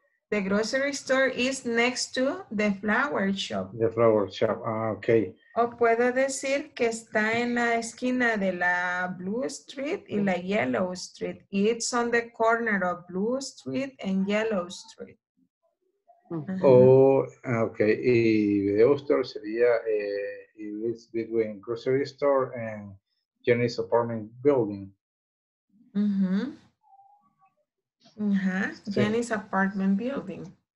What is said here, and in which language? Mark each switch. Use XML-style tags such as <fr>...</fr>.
<en>The grocery store is next to the flower shop. The flower shop, okay.</en> <es>O puedo decir que está en la esquina de la Blue Street y la Yellow Street.</es> <en>It's on the corner of Blue Street and Yellow Street. Y video store</en> <es>sería,</es> <en>it's between grocery store and Jenny's apartment building. Mm-hmm. Uh-huh. Jenny's apartment building.</en>